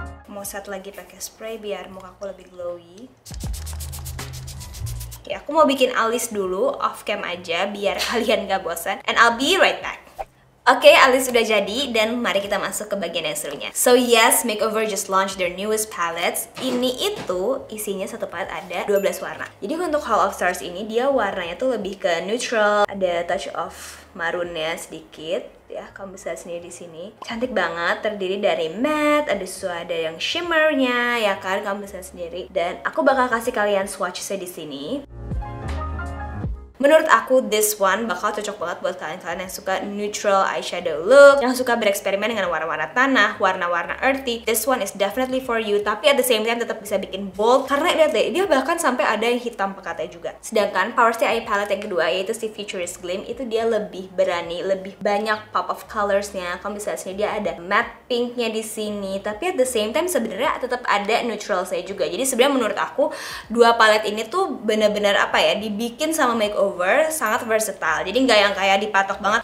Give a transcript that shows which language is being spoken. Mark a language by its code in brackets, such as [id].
[id] Mau set lagi pakai spray biar muka aku lebih glowy. Oke, aku mau bikin alis dulu [en] off cam [id] aja biar kalian gak bosan. [en] And I'll be right back. [id] Okay, alis sudah jadi dan mari kita masuk ke bagian yang serunya. [en] So yes, Makeover just launched their newest palettes. [id] Ini itu isinya satu palet ada 12 warna. Jadi untuk Hall of Stars ini dia warnanya tuh lebih ke neutral, ada touch of maroonnya sedikit. Ya, kamu bisa lihat sendiri di sini. Cantik banget, terdiri dari matte, ada suada yang shimmernya, ya kan? Kamu bisa lihat sendiri. Dan aku bakal kasih kalian swatchesnya di sini. Menurut aku, [en] this one [id] bakal cocok banget buat kalian-kalian yang suka [en] neutral eyeshadow look, [id] yang suka bereksperimen dengan warna-warna tanah, warna-warna earthy. [en] This one is definitely for you, [id] tapi [en] at the same time [id] tetap bisa bikin [en] bold. [id] Karena lihat deh, dia bahkan sampai ada yang hitam pekatnya juga. Sedangkan Power Stay Eye Palette yang kedua, yaitu si Futurist Gleam, itu dia lebih berani, lebih banyak pop of colors-nya. Kamu bisa lihat sini, dia ada matte pink-nya di sini, tapi [en] at the same time [id] sebenarnya tetap ada neutral saya juga. Jadi sebenarnya menurut aku, dua palette ini tuh bener-bener apa ya, dibikin sama Makeover sangat versatile, jadi nggak yang kayak dipatok banget.